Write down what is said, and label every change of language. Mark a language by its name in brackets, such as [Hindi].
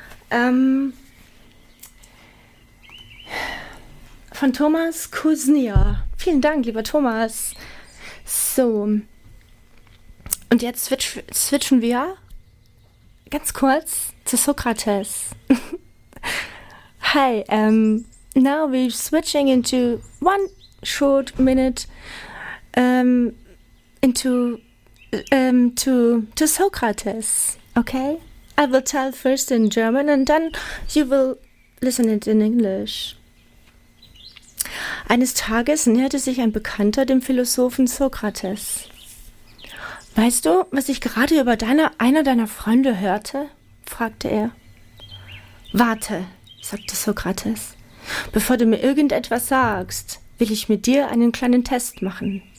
[German] Von Thomas Kuznia. Vielen Dank, lieber Thomas. So. Und jetzt switchen wir ganz kurz zu Sokrates. [English] Hi, now we're switching into 1 short minute into to Socrates, okay? I will tell first in German and then you will listen it in English. [German] Eines Tages näherte sich ein Bekannter dem Philosophen Sokrates. Weißt du, was ich gerade über einer deiner Freunde hörte? Fragte er. Warte, sagte Sokrates. Bevor du mir irgendetwas sagst, will ich mit dir einen kleinen Test machen.